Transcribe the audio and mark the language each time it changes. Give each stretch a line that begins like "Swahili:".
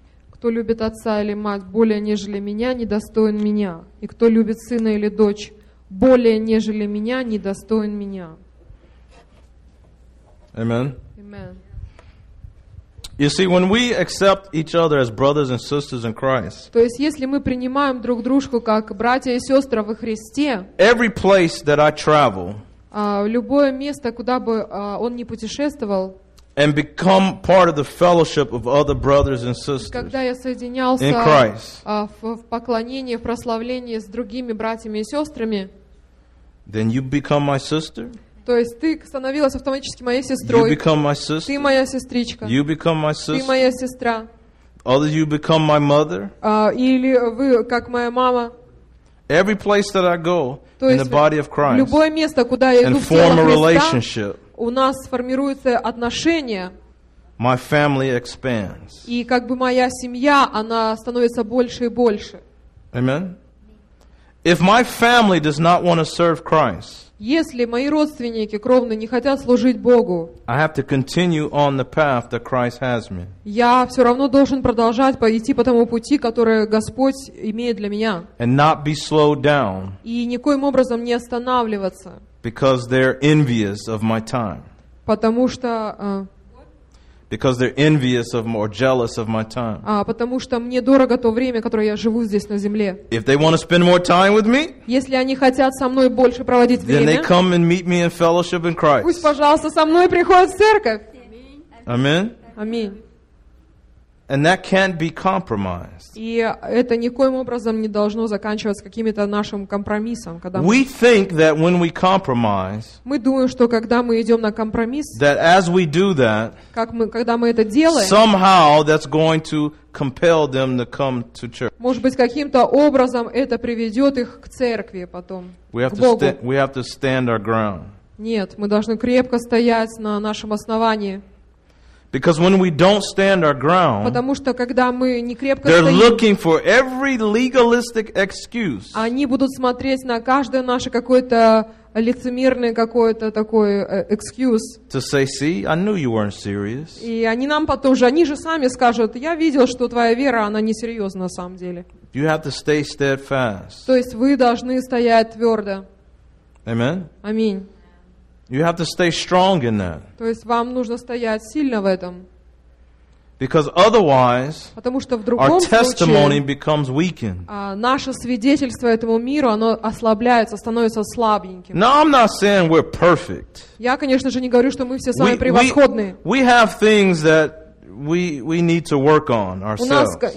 Russian: Кто любит отца или мать более нежели меня, недостоин меня. И кто любит сына или дочь более нежели меня, недостоин меня.
English: Amen. Amen. You see, when we accept each other as brothers and sisters in Christ.
Russian: То есть если мы принимаем друг дружку как братья и сестры во Христе.
English: Every place that I travel.
Russian: Любое место, куда бы он ни путешествовал.
English: And become part of the fellowship of other brothers and sisters in Christ.
Russian: В поклонении, в прославлении с другими братьями и сестрами.
English: Then you become my sister.
Russian: То есть ты становилась автоматически моей сестрой.
English: You become my sister.
Russian: Ты моя сестричка.
English: You become my sister.
Russian: Ты моя сестра.
English: Others, you become my mother.
Russian: Или вы как моя мама.
English: Every place that I go in the body of Christ.
Russian: Любое место, куда я иду,
English: and form a relationship.
Russian: У нас формируются отношения.
English: My family expands.
Russian: И как бы моя семья, она становится больше и больше.
English: Amen. If my family does not want to serve Christ.
Russian: Если мои родственники кровные не хотят служить Богу.
English: I have to continue on the path that Christ has me.
Russian: Я все равно должен продолжать пойти по тому пути, который Господь имеет для меня.
English: And not be slowed down.
Russian: И никоим образом не останавливаться.
English: Because they're envious of my time.
Russian: Потому что.
English: Because they're envious of or jealous of my time.
Russian: Потому что мне дорого то время, которое я живу здесь на земле.
English: If they want to spend more time with me.
Russian: Если они хотят со мной больше проводить время.
English: Then they come and meet me in fellowship in Christ.
Russian: Пусть, пожалуйста, со мной приходят в церковь.
English: Amen. Amen. And that can't be compromised.
Russian: И это никоим образом не должно заканчиваться каким-то нашим компромиссом, когда
English: we think that when we compromise.
Russian: Мы думаем, что когда мы идем на компромисс.
English: That as we do that.
Russian: Как мы, когда мы это делаем.
English: Somehow that's going to compel them to come to church.
Russian: Может быть, каким-то образом это приведет их к церкви потом.
English: We have to stand our ground.
Russian: Нет, мы должны крепко стоять на нашем основании.
English: Because when we don't stand our ground,
Russian: потому что когда мы не крепко
English: they're
Russian: стоим,
English: looking for every legalistic excuse.
Russian: Они будут смотреть на каждое наше какое-то лицемерное какое-то такое excuse.
English: To say, see, I knew you weren't serious.
Russian: И они нам потом же, они же сами скажут, я видел, что твоя вера, она не серьезна на самом деле.
English: You have to stay steadfast.
Russian: То есть вы должны стоять твердо.
English: Amen.
Russian: Аминь.
English: You have to stay strong in that.
Russian: То есть вам нужно стоять сильно в этом.
English: Because otherwise,
Russian: потому что в другом
English: our
Russian: случае,
English: testimony becomes weakened.
Russian: Наше свидетельство этому миру, оно ослабляется, становится слабеньким.
English: Now I'm not saying we're perfect.
Russian: Я, конечно же, не говорю, что мы все самые превосходные.
English: We have things that we need to work on ourselves.